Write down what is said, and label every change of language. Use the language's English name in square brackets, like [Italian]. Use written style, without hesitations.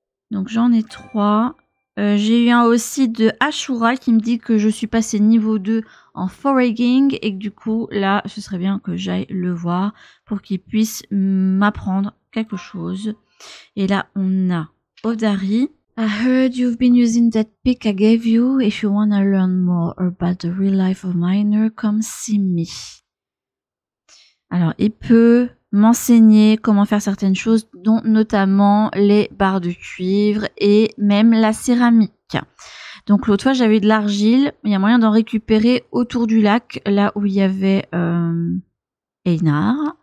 [French] Donc j'en ai trois. J'ai eu un aussi de Ashura qui me dit que je suis passée niveau 2 en foraging et que du coup là, ce serait bien que j'aille le voir pour qu'il puisse m'apprendre quelque chose. Et là, on a Odari. [English] I heard you've been using that pick I gave you. If you want to learn more about the real life of miner, come see me. [French] Alors, il peut m'enseigner comment faire certaines choses, dont notamment les barres de cuivre et même la céramique. Donc, l'autre fois, j'avais de l'argile. Il y a moyen d'en récupérer autour du lac, là où il y avait Einar.